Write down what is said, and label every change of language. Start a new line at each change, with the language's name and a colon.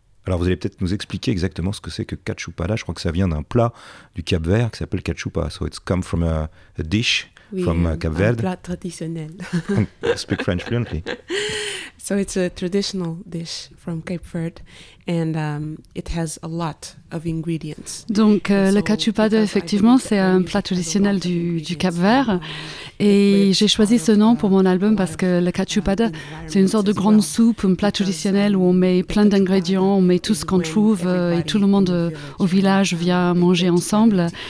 French: Alors vous allez peut-être nous expliquer exactement ce que c'est que Cachupada. Je crois que ça vient d'un plat du Cap Vert qui s'appelle Cachupa.
English: So it's come from a dish from Cap Verde.
French: Un plat traditionnel.
English: Speak French fluently. So it's a traditional dish from Cape Verde, and it has a lot of ingredients.
French: Donc le cachupada, effectivement, c'est un plat traditionnel du Cap Vert. Et j'ai choisi ce nom pour mon album parce que le cachupada, c'est une sorte de grande soupe, un plat traditionnel où on met plein d'ingrédients, on met tout ce qu'on trouve et tout le monde au village vient manger ensemble.